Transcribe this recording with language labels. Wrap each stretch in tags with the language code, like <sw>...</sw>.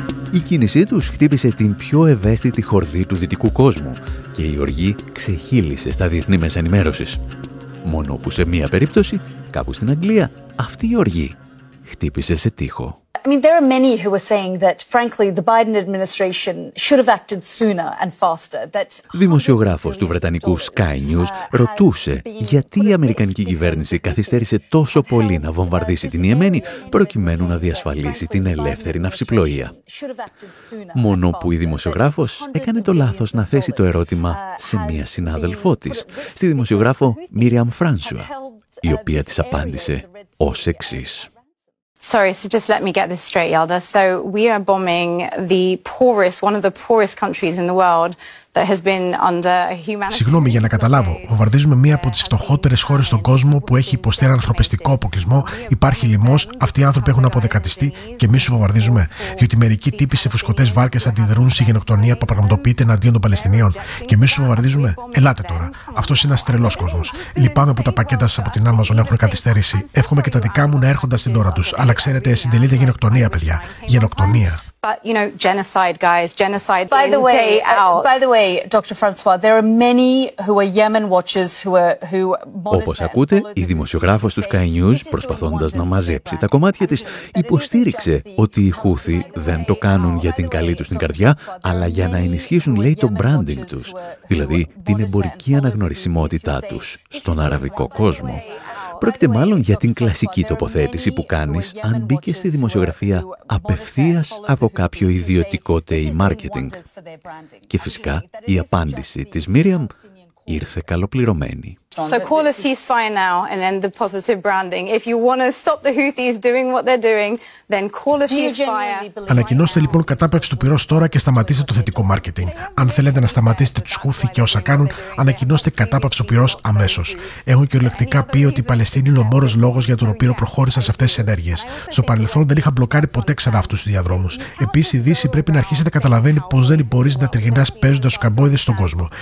<el>Η κίνησή τους χτύπησε την πιο ευαίσθητη χορδή του δυτικού κόσμου και η οργή ξεχύλισε στα διεθνή μέσα ενημέρωσης. Μόνο που σε μία περίπτωση, κάπου στην Αγγλία, αυτή η οργή χτύπησε σε τοίχο.</el> <en>I mean, there are many who are saying that, frankly, the Biden administration should have acted sooner and faster. That.</en> <el>Δημοσιογράφος του βρετανικού Sky News ρωτούσε γιατί η αμερικανική κυβέρνηση καθυστέρησε τόσο πολύ να βομβαρδίσει την Ιεμένη προκειμένου να διασφαλίσει την ελεύθερη ναυσιπλοεία. Μόνο που η δημοσιογράφος έκανε το λάθος να θέσει το ερώτημα σε μία συνάδελφό της, στη δημοσιογράφο Μίριαμ Φράνσουα, η οποία της απάντησε ως εξής.</el> <en>Sorry, so just let me get this straight, Yelda. So we are bombing the poorest, one of the poorest countries in the world that has been under humanitarian.</en> <el>Συγγνώμη, για να καταλάβω, βομβαρδίζουμε μία από τις φτωχότερες χώρες στον κόσμο που έχει υποστεί έναν ανθρωπιστικό αποκλεισμό, υπάρχει λοιμός, αυτοί οι άνθρωποι έχουν αποδεκατιστεί και εμείς σου βομβαρδίζουμε. Διότι μερικοί τύποι σε φουσκωτές βάρκες αντιδρούν στη γενοκτονία που πραγματοποιείται εναντίον των Παλαιστινίων. Και εμείς σου βομβαρδίζουμε. Ελάτε τώρα. Αυτός είναι ένας τρελός κόσμος. Λυπάμαι που τα πακέτα σας από την Amazon έχουν καθυστερήσει. Εύχομαι και τα δικά μου να έρχονται στην ώρα τους. Αλλά ξέρετε, συντελείται γενοκτονία, παιδιά. Γενοκτονία.</el> <en>But you know, genocide, guys, genocide. By the way, Dr. Francois, there are many who are Yemen watchers who</en> <el>Όπως ακούτε, η δημοσιογράφος του Sky News, προσπαθώντας να μαζέψει τα κομμάτια της, υποστήριξε ότι οι Χούθοι δεν το κάνουν για την καλή τους την καρδιά, αλλά για να ενισχύσουν, λέει, το branding τους, δηλαδή την εμπορική αναγνωρισιμότητά τους στον αραβικό κόσμο. Πρόκειται μάλλον για την κλασική τοποθέτηση που κάνεις αν μπήκες στη δημοσιογραφία απευθείας από κάποιο ιδιωτικό τέι μάρκετινγκ. Και φυσικά η απάντηση της Μίριαμ ήρθε καλοπληρωμένη.</el> <en>So call a ceasefire now and end the positive branding. If you want to stop the Houthis doing what they're doing, then call a ceasefire.</en> <el>Ανακοινώστε λοιπόν κατάπευση του πυρός τώρα και σταματήστε το θετικό μάρκετινγκ. Αν θέλετε να σταματήσετε τους Χούθοι και όσα κάνουν, ανακοινώστε κατάπευση του πυρός αμέσως. Έχω κυριολεκτικά πει ότι η Παλαιστίνη είναι ο μόνος λόγος για τον οποίο προχώρησα σε αυτές τις ενέργειες. Στο παρελθόν δεν είχα μπλοκάρει ποτέ ξανά αυτούς τους διαδρόμους. Επίσης, η Δύση πρέπει να αρχίσει να καταλαβαίνει πως δεν μπορείς να τριγυρνάς παίζοντας τους καμπόιδες στον κόσμο.</el>